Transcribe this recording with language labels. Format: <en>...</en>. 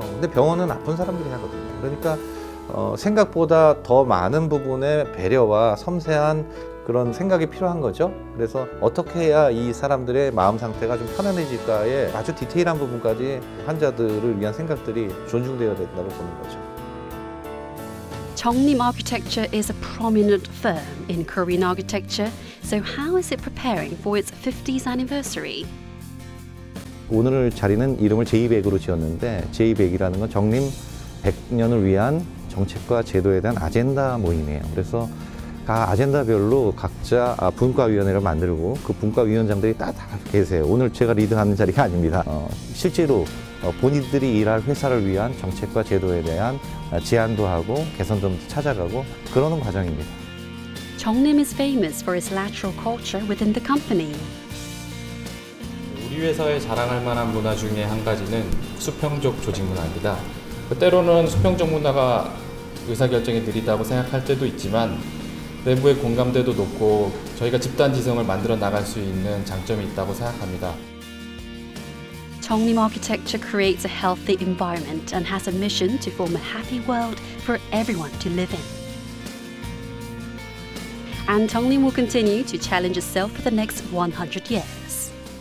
<ko>근데 병원은 아픈 사람들이 하거든요. 그러니까 생각보다 더 많은 부분의 배려와 섬세한 그런 생각이 필요한 거죠. 그래서 어떻게 해야 이 사람들의 마음 상태가 좀 편안해질까에 아주 디테일한 부분까지 환자들을 위한 생각들이 존중되어야 된다고 보는 거죠.</ko> <en>Jongnim Architecture is a prominent firm in Korean architecture. So how is it preparing for its 50th anniversary?</en> <ko>오늘 자리는 이름을 J100으로 지었는데 J100이라는 건 정림 100년을 위한 정책과 제도에 대한 아젠다 모임이에요. 그래서 다 아젠다별로 각자 분과위원회를 만들고 그 분과위원장들이 다 계세요. 오늘 제가 리드하는 자리가 아닙니다. 실제로 본인들이 일할 회사를 위한 정책과 제도에 대한 제안도 하고 개선점도 찾아가고 그러는 과정입니다.</ko> <en>Jongnim is famous for its lateral culture within the company.</en> <ko>우리 회사에 자랑할 만한 문화 중에 한 가지는 수평적 조직 문화입니다. 때로는 수평적 문화가 의사결정에 느리다고 생각할 때도 있지만 내부의 공감대도 높고 저희가 집단 지성을 만들어 나갈 수 있는 장점이 있다고 생각합니다.</ko> <en>Jongnim Architecture creates a healthy environment and has a mission to form a happy world for everyone to live in. And Jongnim will continue to challenge itself for the next 100 years.</en>